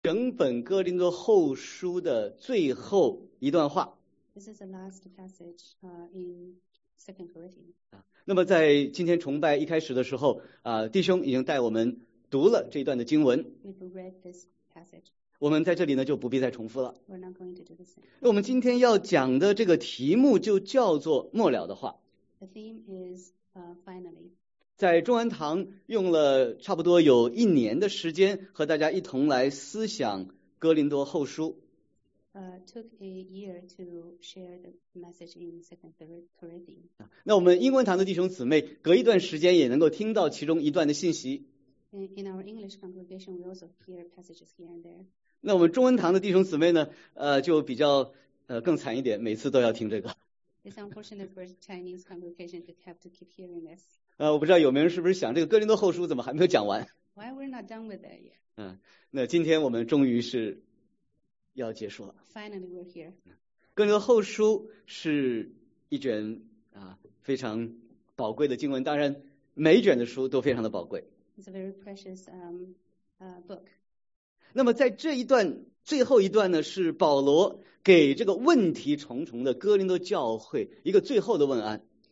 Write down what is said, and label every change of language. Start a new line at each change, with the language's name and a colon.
Chinese: 整本哥林多后书的最后一段话。
English: This is the last passage in Second Corinthians.
Chinese: 那么在今天崇拜一开始的时候，弟兄已经带我们读了这段的经文。
English: We've read this passage.
Chinese: 我们在这里呢就不必再重复了。
English: We're not going to do the same.
Chinese: 我们今天要讲的这个题目就叫做末了的话。
English: The theme is finally.
Chinese: 在中安堂用了差不多有一年的时间和大家一同来思想哥林多后书。
English: Took a year to share the message in Second Corinthians.
Chinese: 那我们英文堂的弟兄姊妹隔一段时间也能够听到其中一段的信息。
English: In our English congregation, we also hear passages here and there.
Chinese: 那我们中文堂的弟兄姊妹呢，就比较更惨一点，每次都要听这个。
English: It's unfortunate for Chinese congregation to have to keep hearing this.
Chinese: 我不知道有没有人是不是想这个哥林多后书怎么还没有讲完？
English: Why we're not done with that yet?
Chinese: 那今天我们终于是要结束了。
English: Finally, we're here.
Chinese: 哥林多后书是一卷非常宝贵的经文，当然每一卷的书都非常的宝贵。
English: It's a very precious book.
Chinese: 那么在这一段最后一段呢，是保罗给这个问题重重的哥林多教会一个最后的问安。